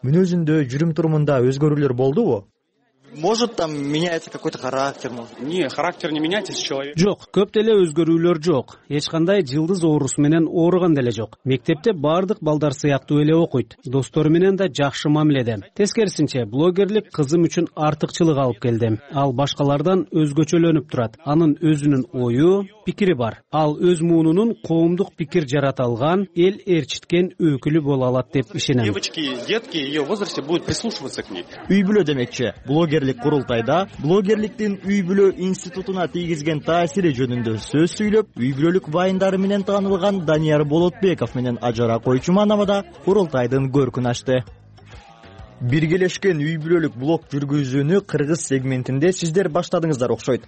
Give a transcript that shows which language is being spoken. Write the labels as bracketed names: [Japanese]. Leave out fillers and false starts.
[Kyrgyz] Мүнөзүндө, жүрүм-турумунда өзгөрүүлөр болдубу? [Russian] Может там меняется какой-то характер, может. Не, характер не меняется, человек. [Kyrgyz] Жок, көп деле өзгөрүүлөр жок. Эч кандай жылдыз оорусу менен ооруган деле жок. Мектепте бардык балдар сыяктуу эле окуйт. Достору менен да жакшы мамиледе. Тескерисинче, блогерлик кызым үчүн артыкчылык алып келди. Ал башкалардан өзгөчөлөнүп турат. Анын өзүнүн ою, пикири бар. Ал өз муунунун коомдук пикир жарата алган, эл эрчиткен өкүлү боло алат деп ишенем. [Russian] Девочки, детки, её возрасте будут прислушиваться к ней. [Kyrgyz] Үйбүлө демекчи. Блогерлик курултайда блогерликтин үйбүлө институтуна тийгизген таасири жөнүндө сөз сүйлөп, үйбүлөлүк вайндары менен таанылган Данияр Болотбеков менен Ажара Койчуманова курултайдын көркүн ачты. Биргелешкен үйбүлөлүк блог жүргүзүүнү кыргыз сегментинде сиздер баштадыңыздар окшойт.